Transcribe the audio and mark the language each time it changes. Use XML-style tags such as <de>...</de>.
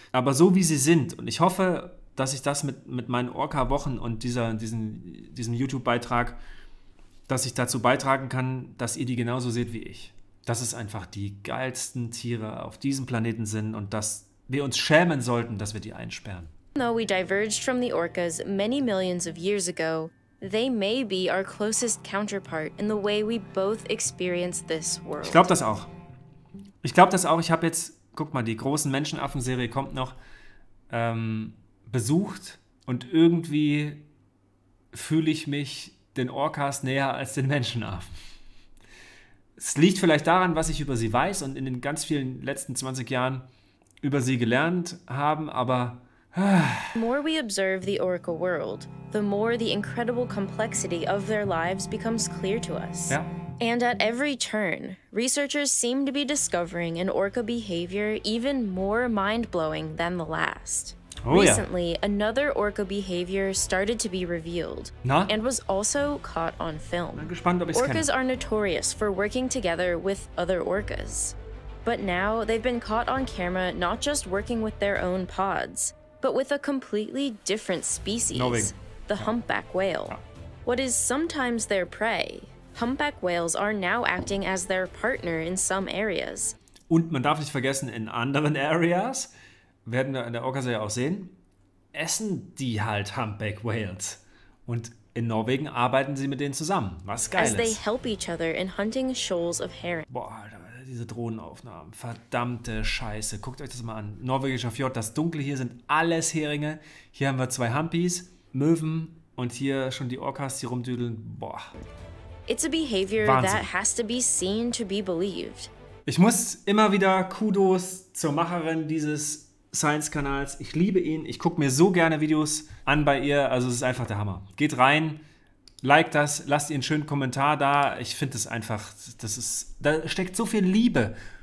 <de>Aber so wie sie sind, und ich hoffe, dass ich das mit meinen Orca-Wochen und diesem YouTube-Beitrag, dass ich dazu beitragen kann, dass ihr die genauso seht wie ich. Dass es einfach die geilsten Tiere auf diesem Planeten sind und dass wir uns schämen sollten, dass wir die einsperren.</de> <en>Though we diverged from the orcas many millions of years ago, they may be our closest counterpart in the way we both experience this world.</en> <de>Ich glaube das auch. Ich glaube das auch. Ich habe jetzt, guck mal, die großen Menschenaffen-Serie kommt noch, besucht und irgendwie fühle ich mich den Orcas näher als den Menschenaffen. Es liegt vielleicht daran, was ich über sie weiß und in den ganz vielen letzten 20 Jahren über sie gelernt haben, aber...</de> <en>The more we observe the orca world, the more the incredible complexity of their lives becomes clear to us.</en> <de>Ja.</de> <en>And at every turn, researchers seem to be discovering an orca behavior even more mind-blowing than the last. Oh, recently, yeah. Another orca behavior started to be revealed and was also caught on film.</en> <de>Bin gespannt, ob ich's</de> <en>orcas</en> <de>kenne.</de> <en>Are notorious for working together with other orcas. But now they've been caught on camera not just working with their own pods, but with a completely different species, the humpback whale. What is sometimes their prey, humpback whales are now acting as their partner in some areas.</en> <de>Und man darf nicht vergessen, in anderen Areas, werden wir in der Orca-Serie auch sehen, essen die halt Humpback Whales. Und in Norwegen arbeiten sie mit denen zusammen. Was geil ist.</de> <en>As they help each other in hunting shoals of herring.</en> <de>Boah, Alter, diese Drohnenaufnahmen. Verdammte Scheiße. Guckt euch das mal an. Norwegischer Fjord, das Dunkle hier sind alles Heringe. Hier haben wir zwei Humpies, Möwen und hier schon die Orcas, die rumdüdeln. Boah.</de> <en>It's a behavior that has to be seen to be believed.</en> <de>Ich muss immer wieder Kudos zur Macherin dieses Science-Kanals. Ich liebe ihn. Ich gucke mir so gerne Videos an bei ihr. Also es ist einfach der Hammer. Geht rein, like das, lasst ihr einen schönen Kommentar da. Ich finde es einfach, das ist, da steckt so viel Liebe.</de>